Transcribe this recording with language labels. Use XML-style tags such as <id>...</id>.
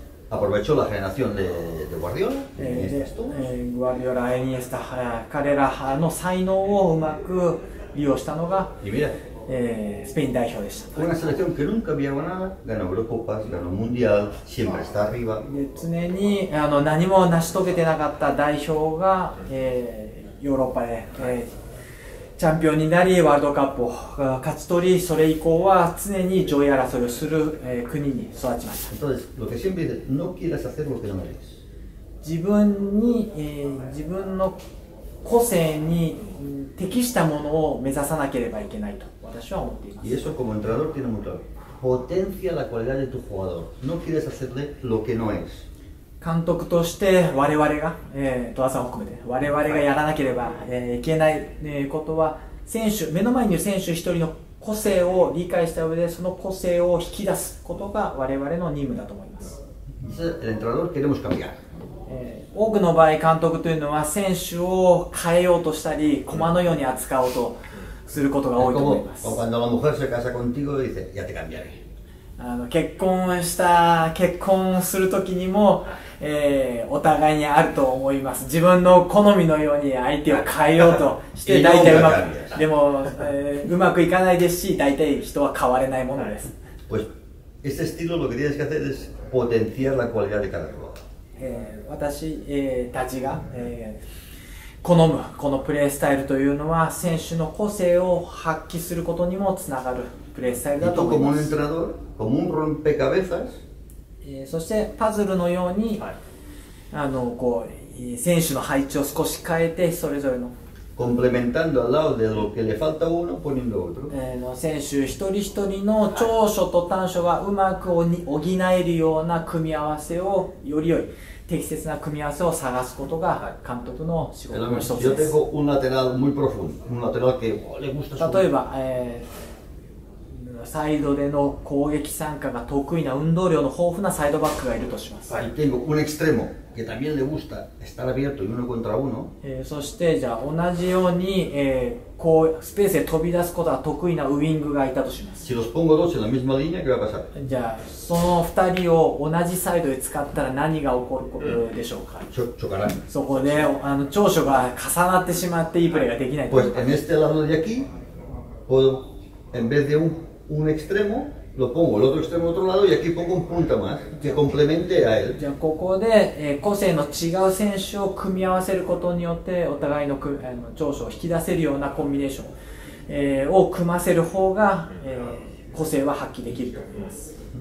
<es>aprovechó la generación de Guardiola、</es> <ja>グワディオラ、エニエスタ、彼らの才能をうまく利用したのがスペイン代表でした。</ja> <es>una selección que nunca había ganado, ganó Eurocopas, ganó Mundial, siempre está arriba.</es> <ja>常に何も成し遂げてなかった代表が、ヨーロッパで、チャンピオンになり、ワールドカップを勝ち取り、それ以降は常に上位争いをする、国に育ちました。</ja> <es>Entonces, lo que siempre dice, no quieras hacer lo que no eres.</es> <ja>自分に、自分の個性に適したものを目指さなければいけないと。</ja> <es>Y eso como entrenador tiene muy claro. Potencia la cualidad de tu jugador. No quieres hacerle lo que no es.</es> <ja>監督として我々が、戸田さんを含めて我々がやらなければ、いけない、ことは、選手目の前にいる選手一人の個性を理解した上でその個性を引き出すことが我々の任務だと思います。</ja> <es>El entrenador queremos cambiar.</es> <ja>多くの場合監督というのは選手を変えようとしたり駒のように扱おうと。することが多いと思います。</ja> <es>Como cuando la mujer se casa contigo y dice, ya te cambiaré。</es> <ja>結婚した、結婚するときにも、お互いにあると思います。自分の好みのように相手を変えようとして、大体うまく、でも、うまくいかないですし、大体人は変われないものです。</ja> <es>Pues, este estilo lo que tienes que hacer es potenciar la cualidad de cada uno。</es> <ja>私、たちが、好む、このプレースタイルというのは、選手の個性を発揮することにもつながるプレースタイルだと思います。</ja> <es>Y tú como entrenador, como un rompecabezas,</es> <ja>そして、パズルのように、はい、こう、選手の配置を少し変えて、それぞれの。</ja> <es>Complementando al lado de lo que le falta uno, poniendo otro.</es> <ja>選手一人一人の長所と短所がうまく補えるような組み合わせを、より良い。適切な組み合わせを探すことが監督の仕事の一つです。</ja> <es>Yo tengo un lateral muy profundo, un lateral que le gusta</es> <ja>su... 例えば、サイドでの攻撃参加が得意な運動量の豊富なサイドバックがいるとします。</ja> <es>Y tengo un extremo que también le gusta estar abierto y uno contra uno.</es> <ja>そしてじゃあ同じように、こうスペースへ飛び出すことが得意なウイングがいたとします。</ja> <es>Si los pongo dos en la misma línea, ¿qué va a pasar?</es> <ja>じゃあその2人を同じサイドで使ったら何が起こるでしょうか？ちょからん。そこで長所が重なってしまっていいプレーができない。</ja> <es>Pues en este lado de aquí, puedo, en vez de un extremo, lo pongo el otro extremo otro lado y aquí pongo un punta más que complemente a él.</es> <ja>じゃあここで、個性の違う選手を組み合わせることによってお互いの長所を引き出せるようなコンビネーション、を組ませる方が、個性は発揮できると思います。</ja>